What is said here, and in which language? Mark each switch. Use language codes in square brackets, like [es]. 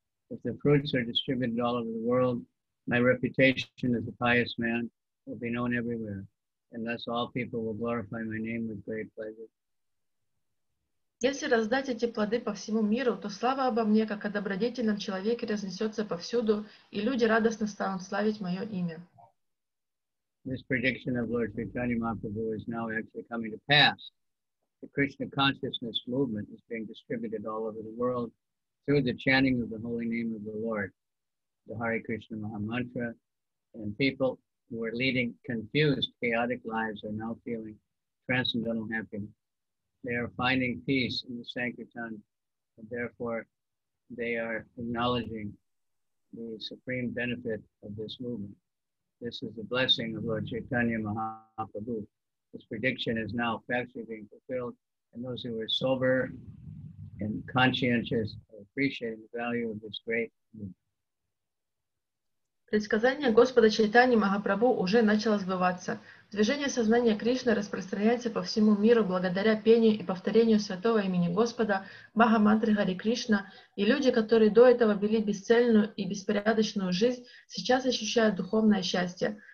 [en] If the fruits are distributed all over the world, my reputation as a pious man will be known everywhere, and thus all people will glorify my name with great pleasure. [ru] Если раздать эти плоды по всему миру, то слава обо мне, как о добродетельном человеке, разнесется повсюду, и люди радостно станут славить мое имя. [en] This prediction of Lord Chaitanya Mahaprabhu is now actually coming to pass. The Krishna consciousness movement is being distributed all over the world through the chanting of the holy name of the Lord, the Hare Krishna Maha Mantra, and people who are leading confused, chaotic lives are now feeling transcendental happiness. They are finding peace in the Sankirtan, and therefore they are acknowledging the supreme benefit of this movement. This is the blessing of Lord Chaitanya Mahaprabhu. This prediction is now factually being fulfilled, and those who are sober and conscientious are appreciating the value of this great movement. [ru] Предсказание Господа Чайтаньи Махапрабху уже начало сбываться. Движение сознания Кришны распространяется по всему миру благодаря пению и повторению святого имени Господа, Маха-мантры Хари Кришна, и люди, которые до этого вели бесцельную и беспорядочную жизнь, сейчас ощущают духовное счастье.